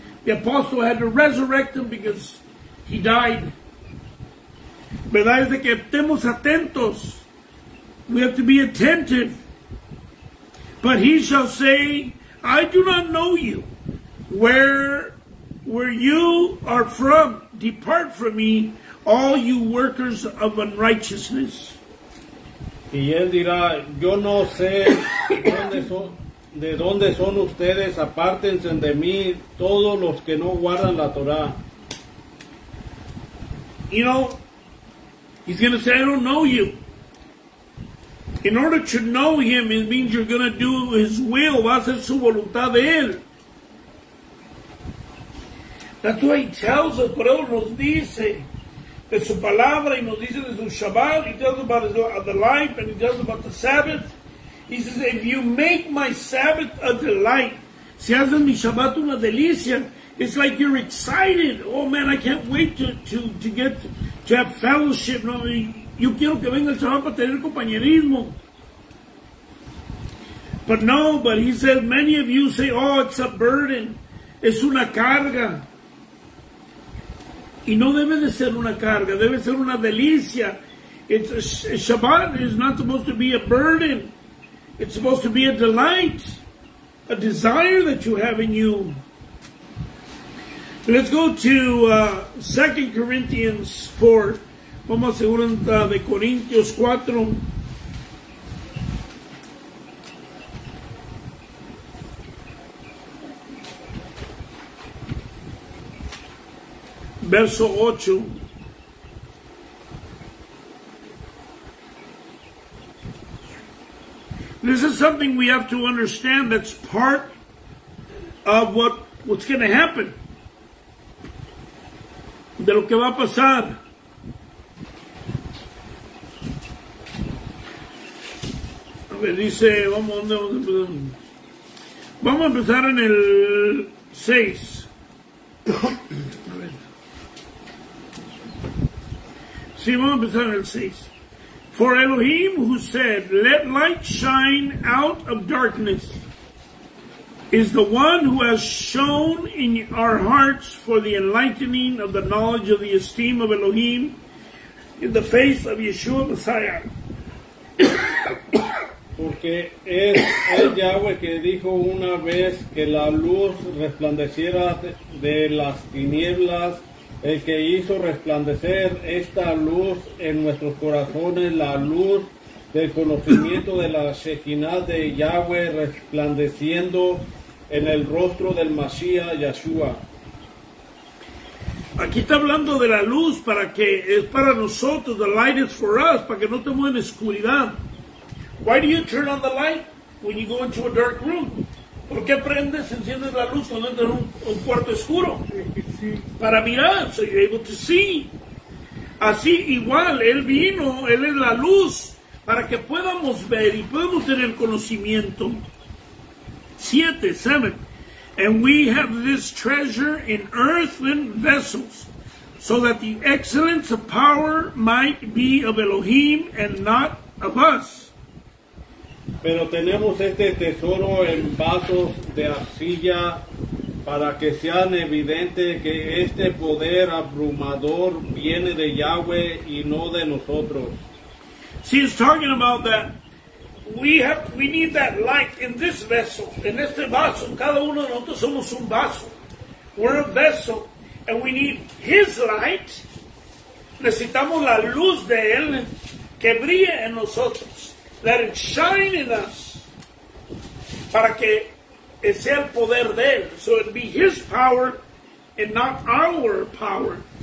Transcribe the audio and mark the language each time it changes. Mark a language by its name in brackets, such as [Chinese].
[English] The apostle had to resurrect him because he died. [Spanish] ¿Verdad? Es de que estemos atentos [English] We have to be attentive. But he shall say, I do not know you. Where you are from, depart from me, all you workers of unrighteousness. [Spanish] Y él dirá, yo no sé de dónde son ustedes, apártense de mí, todos los que no guardan la Torah. [English] You know, he's going to say, I don't know you. In order to know him, it means you're going to do his will, [Spanish] va a hacer su voluntad de él. [English] That's why he tells us, [Spanish] por eso nos dice de su palabra y nos dice de su Shabbat. [English] He tells about his other life and he tells about the Sabbath. He says, if you make my Sabbath a delight, [Spanish] si haces mi Shabbat una delicia, [English] it's like you're excited. Oh man, I can't wait to have fellowship. [Spanish] No, yo quiero que venga el Shabbat para tener compañerismo. [English] But no, but he says, many of you say, oh, it's a burden. [Spanish] Es una carga. Y no debe de ser una carga, debe ser una delicia. [English] Shabbat is not supposed to be a burden. It's supposed to be a delight, a desire that you have in you. Let's go to 2 Corinthians 4. [Spanish] Vamos a segunda de Corintios 4. Verso 8. [English] This is something we have to understand that's part of what's going to happen. [Spanish] De lo que va a pasar. A ver, dice, vamos a empezar en el 6. [English] For Elohim, who said, let light shine out of darkness, is the one who has shone in our hearts for the enlightening of the knowledge of the esteem of Elohim in the face of Yeshua Messiah. [Spanish] Porque es el Yahweh que dijo una vez que la luz resplandeciera de las tinieblas, el que hizo resplandecer esta luz en nuestros corazones, la luz del conocimiento de la Shekinah de Yahweh resplandeciendo en el rostro del Mashiach Yeshua. Aquí está hablando de la luz para que es para nosotros, [English] the light is for us, [Spanish] para que no estemos en oscuridad. [English] Why do you turn on the light when you go into a dark room? [Spanish] ¿Por qué prendes, enciendes la luz cuando entras en un cuarto oscuro? Para mirar, [English] so you're able to see. [Spanish] Así, igual, Él vino, Él es la luz, para que podamos ver y podamos tener conocimiento. 7. [English] And we have this treasure in earthen vessels, so that the excellence of power might be of Elohim and not of us. [Spanish] Pero tenemos este tesoro en vasos de arcilla para que sean evidentes que este poder abrumador viene de Yahweh y no de nosotros. [English] See, he's talking about that. We need that light in this vessel, in este vaso. [Spanish] Cada uno de nosotros somos un vaso. [English] We're a vessel and we need his light. [Spanish] Necesitamos la luz de él que brille en nosotros. [English] Let it shine in us, [Spanish] para que sea el poder de él. [English] So it be his power and not our power.